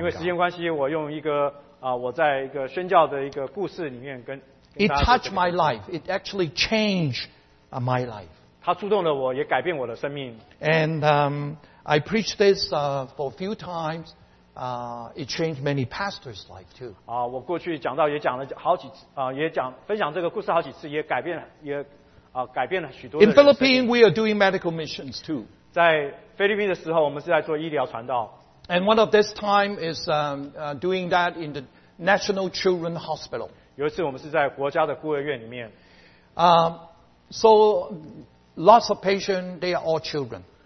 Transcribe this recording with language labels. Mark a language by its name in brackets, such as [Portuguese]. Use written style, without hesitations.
[Chinese] 因为时间关系我用一个我在一个宣教的一个故事里面跟大家说。 [English] It touched my life. It actually changed my life. [Chinese] 它触动了我也改变我的生命。 [English] And, I preached this for a few times. It changed many pastors' life too. [Chinese] 啊，我过去讲到也讲了好几次啊，也讲分享这个故事好几次，也改变了改变了许多。 [English] In Philippines, we are doing medical missions too. [Chinese] 在菲律宾的时候，我们是在做医疗传道。 [English] And one of this time is doing that in the National Children's Hospital. [Chinese] 有一次我们是在国家的孤儿院里面。 [English] So lots of patients, they are all children.